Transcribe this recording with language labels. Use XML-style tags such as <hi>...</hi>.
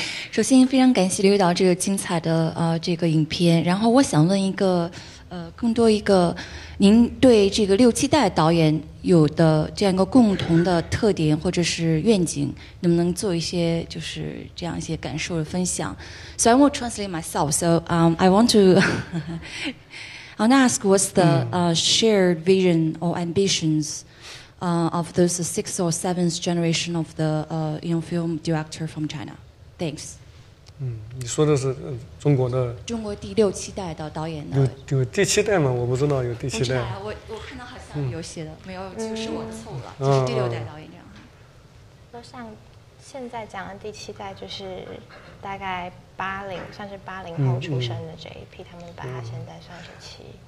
<zh>首先非常感谢刘导这个精彩的这个影片，然后我想问一个更多一个您对这个六七代导演有的这样一个共同的特点或者是愿景，能不能做一些就是这样一些感受的分享。</zh> <en>So I will translate myself. So I want to I want to ask what's the shared vision or ambitionsof those sixth or seventh generation of the film director from China. Thanks.</en> <zh>你说的是中国的中国第六七代的导演的有第七代吗？我不知道有第七代。我看到好像有写的，没有，就是我凑了，就是第六代导演这样。我想现在讲的第七代就是大概算是八零后出生的这一批，他们把他现在算是七。</zh>